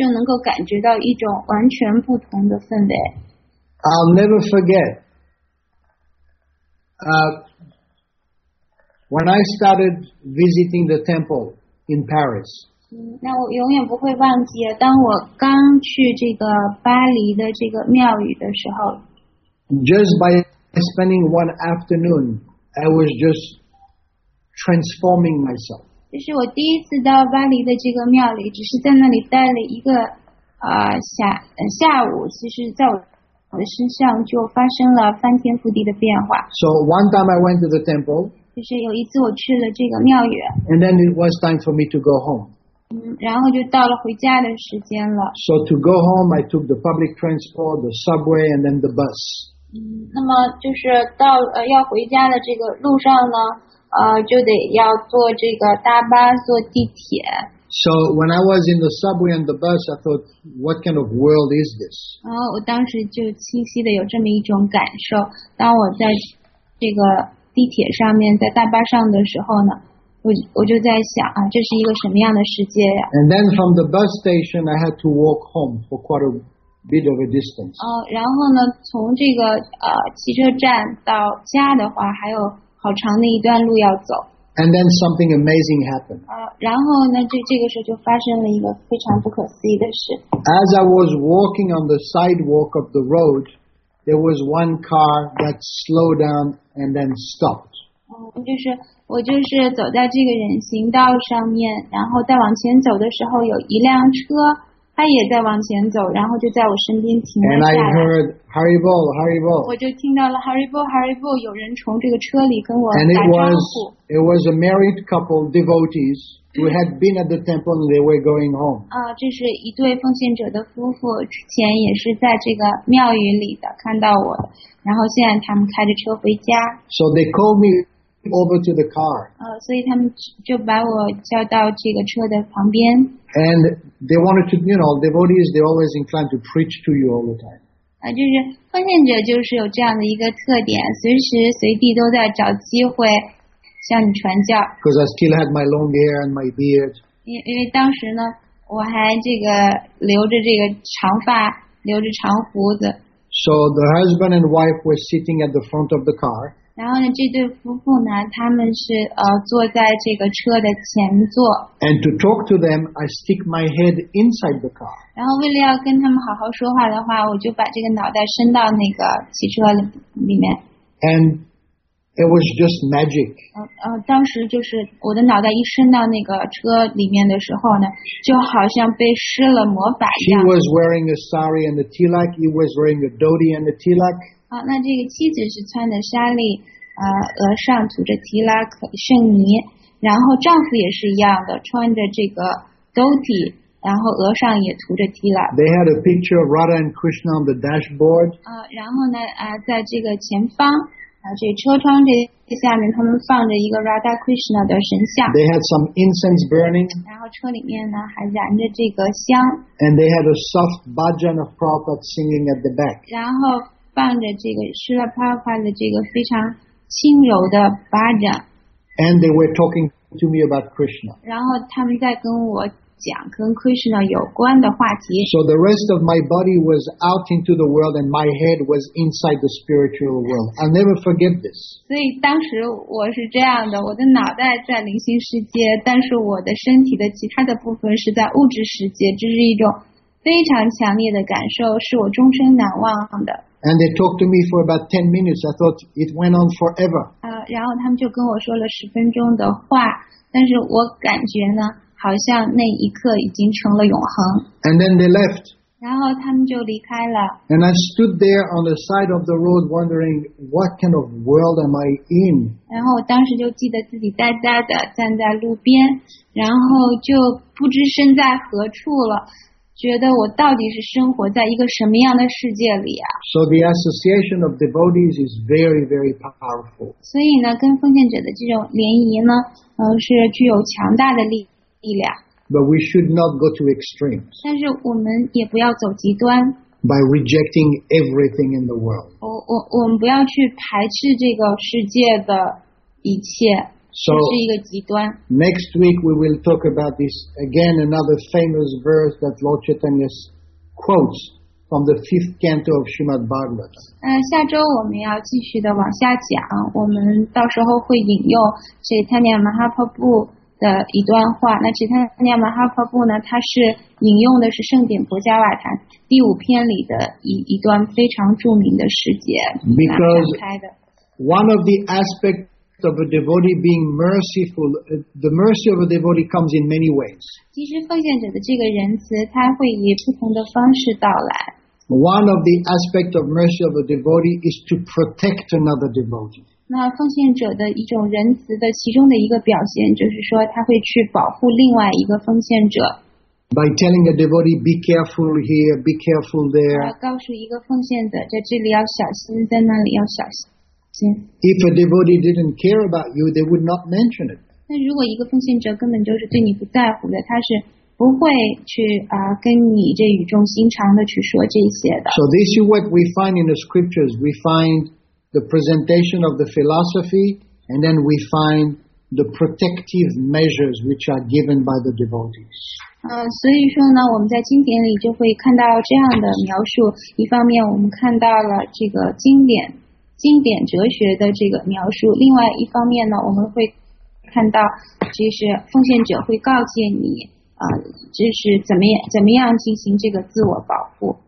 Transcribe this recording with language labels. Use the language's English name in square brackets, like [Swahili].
[Chinese] 那你自己是可以做出这种明显的这种分辨的，就是这种感受上的这种不同。比如说，你跟奉献者一起唱诵啊、联谊啊，好长时间，好几个小时，然后离开了那里之后，走上了这个大街，然后你很快就能够感觉到一种完全不同的氛围。 [English] I'll never forget. When I started visiting the temple in Paris, [Chinese] 那我永远不会忘记，当我刚去这个巴黎的这个庙宇的时候， [English] just by spending one afternoon, I was just transforming myself. [Chinese] 就是我第一次到巴黎的这个庙里，只是在那里待了一个下午，其实在我的身上就发生了翻天覆地的变化。 [English] So one time I went to the temple. [Chinese] 就是有一次我去了这个庙宇。 [English] And then it was time for me to go home. [Chinese] 然后就到了回家的时间了。 [English] So to go home, I took the public transport, the subway, and then the bus. [Chinese] 那么就是到要回家的这个路上呢，就得要坐这个大巴，坐地铁。 [English] So when I was in the subway and the bus, I thought, what kind of world is this? [Chinese] 然后我当时就清晰的有这么一种感受，当我在这个地铁上面，在大巴上的时候呢，我就在想啊，这是一个什么样的世界呀？ [English] And then from the bus station, I had to walk home for quite a bit of a distance. [Chinese] 然后呢，从这个汽车站到家的话，还有好长的一段路要走。 [English] And then something amazing happened. [Chinese] 然后呢，这个时候就发生了一个非常不可思议的事。 [English] As I was walking on the sidewalk of the road, there was one car that slowed down and then stopped. [Chinese] 我就是走在这个人行道上面，然后再往前走的时候，有一辆车，他也在往前走，然后就在我身边停了下来。 [English] And I heard Harry Ball, Harry Ball. [Chinese] 我就听到了 Harry Ball, Harry Ball， 有人从这个车里跟我打招呼。 [English] And it was a married couple, devotees, who had been at the temple and they were going home. [Chinese] 这是一对奉献者的夫妇，之前也是在这个庙宇里的，看到我的，然后现在他们开着车回家。 [English] So they called me over to the car. [Chinese] 所以他们就把我叫到这个车的旁边。 [English] And they wanted to, you know, devotees, they're always inclined to preach to you all the time. [Chinese] 就是奉献者就是有这样的一个特点，随时随地都在找机会向你传教。 [English] Because I still had my long hair and my beard. [Chinese] 因为当时呢，我还这个留着这个长发，留着长胡子。 [English] So the husband and wife were sitting at the front of the car. [Chinese] 然后呢，这对夫妇呢，他们是坐在这个车的前座。 [English] And to talk to them, I stick my head inside the car. [Chinese] 然后为了要跟他们好好说话的话，我就把这个脑袋伸到那个汽车里面。 [English] And it was just magic. [Chinese] 当时就是我的脑袋一伸到那个车里面的时候呢，就好像被施了魔法一样。 [English] She was wearing a sari and a tilak. He was wearing a dhoti and a tilak. [Chinese] 那这个妻子是穿的纱丽，额上涂着提拉克圣泥，然后丈夫也是一样的，穿着这个兜底，然后额上也涂着提拉。 [English] They had a picture of Radha and Krishna on the dashboard. [Chinese] 然后呢，在这个前方，这车窗这下面，他们放着一个 Radha Krishna 的神像。 [English] They had some incense burning. [Chinese] 然后车里面呢，还燃着这个香。 [English] And they had a soft bhajan of Prabhupada singing at the back. [Chinese] 然后放着这个施了啪啪的这个非常轻柔的巴掌。 [English] And they were talking to me about Krishna. [Chinese] 然后他们在跟我讲跟 Krishna 有关的话题。 [English] So the rest of my body was out into the world and my head was inside the spiritual world. I'll never forget this. [Chinese] 所以当时我是这样的，我的脑袋在灵性世界，但是我的身体的其他的部分是在物质世界，这是一种非常强烈的感受，是我终身难忘的。 [English] And they talked to me for about 10 minutes. I thought it went on forever. [Chinese] 然后他们就跟我说了十分钟的话，但是我感觉呢，好像那一刻已经成了永恒。 [English] And then they left. [Chinese] 然后他们就离开了。 [English] And I stood there on the side of the road wondering what kind of world am I in? [Chinese] 然后我当时就记得自己呆呆的站在路边，然后就不知身在何处了。觉得我到底是生活在一个什么样的世界里啊？ [English] So the association of devotees is very, very powerful. [Chinese] 所以呢，跟奉献者的这种联谊呢，是具有强大的力量。 [English] But we should not go to extremes. [Chinese] 但是我们也不要走极端。 [English] By rejecting everything in the world. [Chinese] 我们不要去排斥这个世界的一切。 [English] So, [Chinese] 这是一个极端。 [English] Next week we will talk about this again, another famous verse that Lord Chaitanya quotes from the fifth canto of Srimad Bhagavatam. [Chinese] 下周我们要继续的往下讲，我们到时候会引用这Chaitanya Mahaprabhu的一段话。那Chaitanya Mahaprabhu呢，他是引用的是圣典婆伽瓦坛第五篇里的一段非常著名的诗节。 [English] Because one of the aspects of a devotee being merciful, the mercy of a devotee comes in many ways. [Chinese] 其实奉献者的这个仁慈，他会以不同的方式到来。 [English] One of the aspects of mercy of a devotee is to protect another devotee. [Chinese] 那奉献者的一种仁慈的其中的一个表现，就是说他会去保护另外一个奉献者。 [English] By telling a devotee, be careful here, be careful there. [Chinese] 告诉一个奉献者，在这里要小心，在那里要小心。 [English] If a devotee didn't care about you, they would not mention it. [Chinese] 那如果一个奉献者根本就是对你不在乎的，他是不会去跟你这语重心长的去说这些的。 [English] So this is what we find in the scriptures. We find the presentation of the philosophy, and then we find the protective measures which are given by the devotees. [Chinese] 所以说呢，我们在经典里就会看到这样的描述。一方面，我们看到了这个经典哲学的这个描述。另外一方面呢，我们会看到，其实奉献者会告诫你。这是怎么样进行这个自我保护。